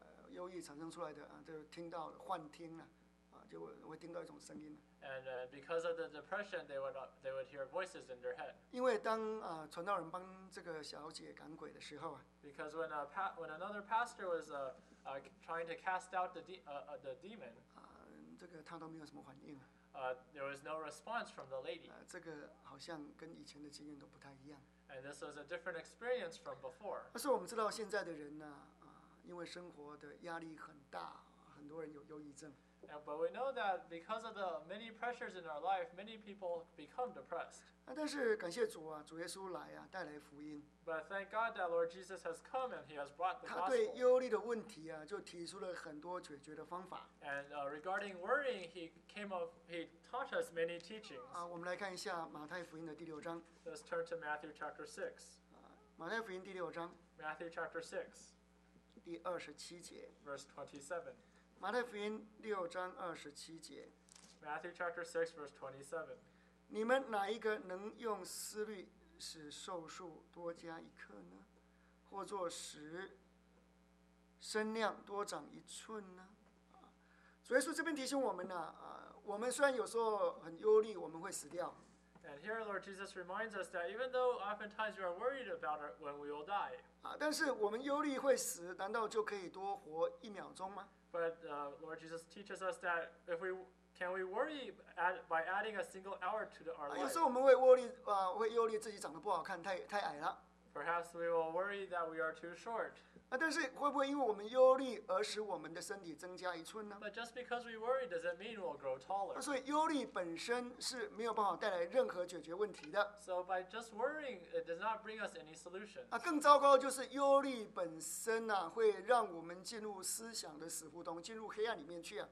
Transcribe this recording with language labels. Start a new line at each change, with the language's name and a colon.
Chinese: 忧郁产生出来的就听到幻听了，就会听到一种声音。
English: And because of the depression, they would hear voices in their head.
Chinese: 因为当传道人帮这个小姐赶鬼的时候
English: Because when another pastor was trying to cast out the demon.
Chinese: 这个他都没有什么反应。
English: There was no response from the lady.
Chinese: 这个好像跟以前的经验都不太一样。
English: And this was a different experience from before.
Chinese: 但是我们知道现在的人呢，因为生活的压力很大，很多人有忧郁症。
English: But we know that because of the many pressures in our life, many people become depressed.
Chinese: 但是感谢主啊，主耶稣来啊，带来福音。
English: But thank God that Lord Jesus has come and He has brought the gospel.
Chinese: 他对忧虑的问题啊，就提出了很多解决的方法。
English: And regarding worrying, He taught us many teachings.
Chinese: 我们来看一下马太福音的第六章。
English: Let's turn to Matthew chapter 6.
Chinese: 马太福音第六章。
English: Matthew chapter 6.
Chinese: 第二十七节。
English: Verse 27.
Chinese: 马太福音六章二十七节。
English: Matthew chapter 6 verse 27.
Chinese: 你们哪一个能用思虑使寿数多加一刻呢？或做使身量多长一寸呢？所以说这边提醒我们呢，我们虽然有时候很忧虑，我们会死掉。
English: And here, Lord Jesus reminds us that even though oftentimes we are worried about when we will die.
Chinese: 但是我们忧虑会死，难道就可以多活一秒钟吗？
English: But Lord Jesus teaches us that if we can we worry by adding a single hour to our life.
Chinese: 有时候我们会忧虑，会忧虑自己长得不好看，太矮了。
English: Perhaps we will worry that we are too short.
Chinese: 但是会不会因为我们忧虑而使我们的身体增加一寸呢？
English: But just because we worry, does it mean we'll grow taller?
Chinese: 所以忧虑本身是没有办法带来任何解决问题的。
English: So by just worrying, it does not bring us any solutions.
Chinese: 更糟糕就是忧虑本身啊，会让我们进入思想的死胡同，进入黑暗里面去啊。